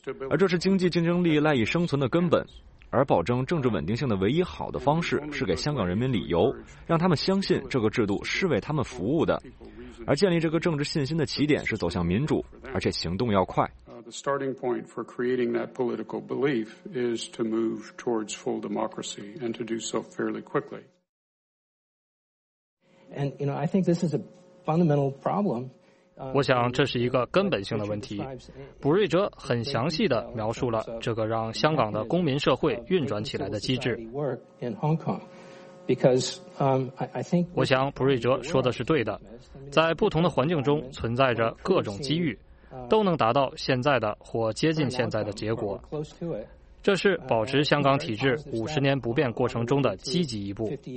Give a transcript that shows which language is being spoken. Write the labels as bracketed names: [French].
[Chinese] 而这是经济竞争力赖以生存的根本，而保证政治稳定性的唯一好的方式是给香港人民理由，让他们相信这个制度是为他们服务的。而建立这个政治信心的起点是走向民主，而且行动要快。 [English] The starting point for creating that political belief is to move towards full democracy and to do so fairly quickly. And, you know, I think this is a fundamental problem. [Chinese] 我想这是一个根本性的问题。卜瑞哲很详细地描述了这个让香港的公民社会运转起来的机制。我想卜瑞哲说的是对的，在不同的环境中存在着各种机遇，都能达到现在的或接近现在的结果，这是保持香港体制50年不变过程中的积极一步。